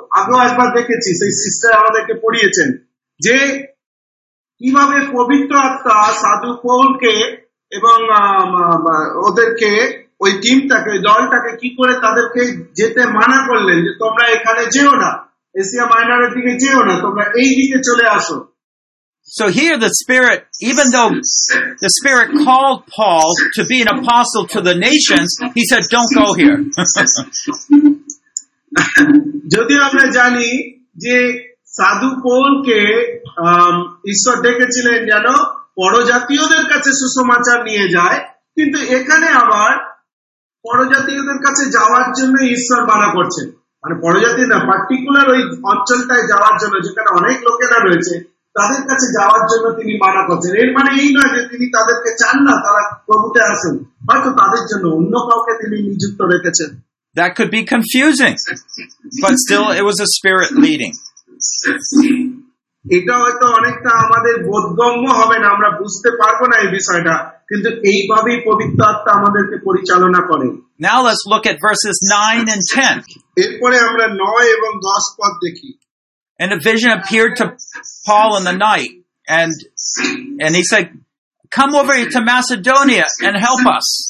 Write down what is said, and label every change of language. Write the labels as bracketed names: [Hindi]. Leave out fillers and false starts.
[Bangla] আগেও একবার দেখেছি, সেই সিস্টার আমাদেরকে পড়িয়েছেন যে কিভাবে পবিত্র আত্মা সাধু পৌলকে এবং ওদেরকে ওই টিমটাকে দলটাকে কি করে তাদেরকে যেতে মানা করলেন যে তোমরা এখানে যেও না, এশিয়া মাইনরের দিকে যেও না, তোমরা এই দিকে চলে আসো। [English] So here the Spirit, even though the Spirit called Paul to be an apostle to the nations, he said, don't go here. [Bangla] যদি আমরা জানি যে সাধু পৌলকে ঈশ্বর ডেকেছিলেন যেন পরজাতীয়দের কাছে সুসমাচার নিয়ে যায়, কিন্তু এখানে আবার পরজাতীয়দের কাছে যাওয়ার জন্য ঈশ্বর মানা করছেন, মানে পরজাতি না পার্টিকুলার ওই অঞ্চলটায় যাওয়ার জন্য যেখানে অনেক লোকেরা রয়েছে তাদের কাছে যাওয়ার জন্য তিনি মানা করছেন। এর মানে এই নয় যে তিনি তাদেরকে চান না, তারা প্রভুতে আসেন, হয়তো তাদের জন্য অন্য কাউকে তিনি নিযুক্ত রেখেছেন। [English] That could be confusing, but still it was a spirit leading. [Bangla] এটা হয়তো অনেকটা আমাদের বোধগম্য হবে না, আমরা বুঝতে পারবো না এই বিষয়টা, কিন্তু এইভাবেই পবিত্র আত্মা আমাদেরকে পরিচালনা করে। [English] Now let's look at verses 9 and 10. [Bangla] এরপরে আমরা 9 এবং 10 পদ দেখি। [English] And a vision appeared to Paul in the night, and he said, come over to Macedonia and help us.